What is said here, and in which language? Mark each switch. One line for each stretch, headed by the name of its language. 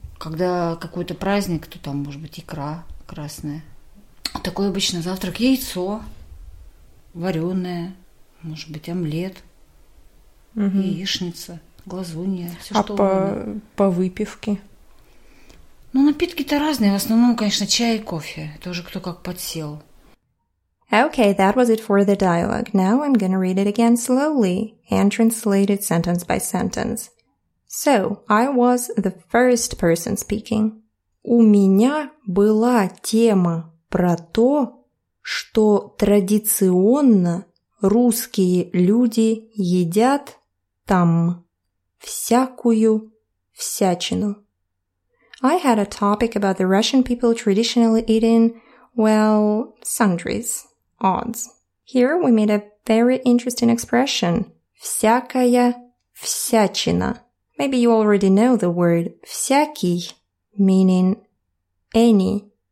Russian: Когда какой-то праздник, то там, может быть, икра красная. Такой обычный завтрак. Яйцо. Вареное, может быть, омлет, яичница, глазунья, все что угодно. А по выпивке? Ну, напитки-то разные. В основном, конечно, чай и кофе. Это уже кто как подсел.
English: Okay, that was it for the dialogue. Now I'm gonna read it again slowly and translate it sentence by sentence. So, I was the first person speaking.
Russian: У меня была тема про то, что традиционно русские люди едят там всякую всячину.
English: I had a topic about the Russian people traditionally eating, well, sundries, odds. Here we made a very interesting expression.
Russian: Всякая всячина.
English: Maybe you already know the word всякий, meaning any.